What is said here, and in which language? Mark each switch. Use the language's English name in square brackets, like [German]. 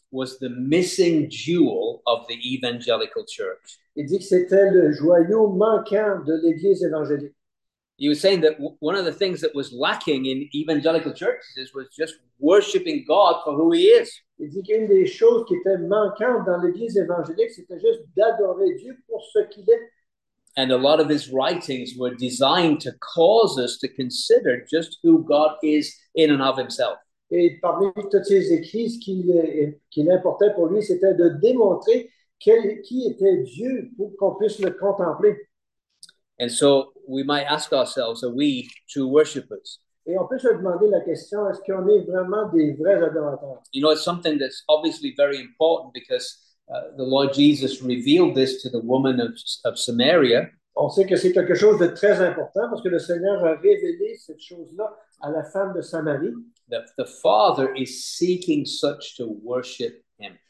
[English] was the missing jewel of the evangelical church. [French] Il dit que c'était le joyau manquant de l'Église évangélique. [English] He was saying that one of the things that was lacking in evangelical churches was just worshiping God for who he is. [French] Il dit qu'une des choses qui était manquante dans l'Église évangélique, c'était juste d'adorer Dieu pour ce qu'il est. [English] And a lot of his writings were designed to cause us to consider just who God is in and of himself. [French] Et parmi toutes ses écrits, ce qu'il importait pour lui, c'était de démontrer qui était Dieu pour qu'on puisse le contempler. [English] And so we might ask ourselves, are we true worshippers? [French] Et on peut se demander la question, est-ce qu'on est vraiment des vrais adorateurs? [English] You know, it's something that's obviously very important because the Lord Jesus revealed this to the woman of Samaria. [French] On sait que c'est quelque chose de très important parce que le Seigneur a révélé cette chose-là à la femme de Samarie. [English] The Father is seeking such to worship him.